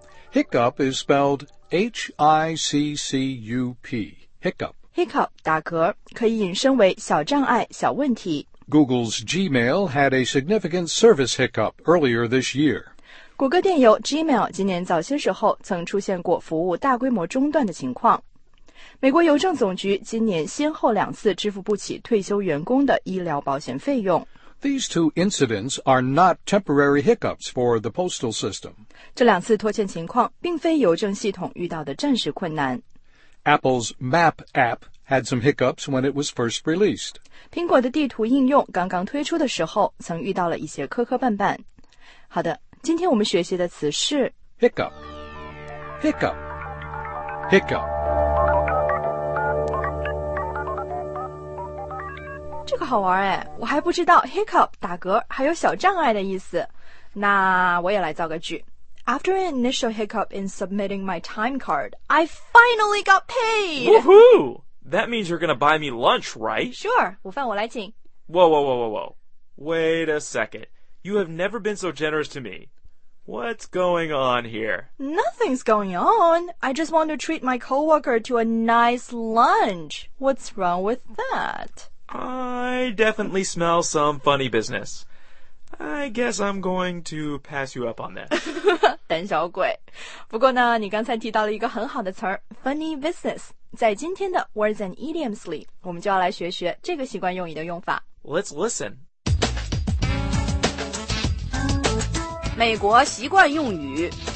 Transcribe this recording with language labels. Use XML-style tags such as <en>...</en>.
<en>Hiccup is spelled H-I-C-C-U-P. Hiccup.</en> <zh>Hiccup, 打嗝,可以引申为小障碍,小问题。</zh> <en>Google's Gmail had a significant service hiccup earlier this year.</en> <zh>谷歌电邮 Gmail 今年早些时候曾出现过服务大规模中断的情况。美国邮政总局今年先后两次支付不起退休员工的医疗保险费用。</zh> <en>These two incidents are not temporary hiccups for the postal system.</en> <zh>这两次拖欠情况并非邮政系统遇到的暂时困难。</zh> <en>Apple's Map app had some hiccups when it was first released.</en> <zh>苹果的地图应用刚刚推出的时候曾遇到了一些磕磕绊绊。好的，今天我们学习的词是</zh> <en>Hiccup. Hiccup. Hiccup.</en> <zh>这个好玩哎，我还不知道 hiccup 打嗝还有小障碍的意思。那我也来造个句。</zh> <en>After an initial hiccup in submitting my time card, I finally got paid! Woohoo! That means you're gonna buy me lunch, right?</en> <zh>Sure, 午饭我来请。</zh> <en>Whoa, whoa, whoa, whoa, whoa. Wait a second. You have never been so generous to me. What's going on here? Nothing's going on. I just want to treat my coworker to a nice lunch. What's wrong with that? I definitely smell some funny business. I guess I'm going to pass you up on that.</en> <zh>胆小鬼。不过呢，你刚才提到了一个很好的词儿 ,funny business. 在今天的 Words and Idioms 里，我们就要来学学这个习惯用语的用法。</zh> <en>Let's listen.</en> <zh>美国习惯用语</zh>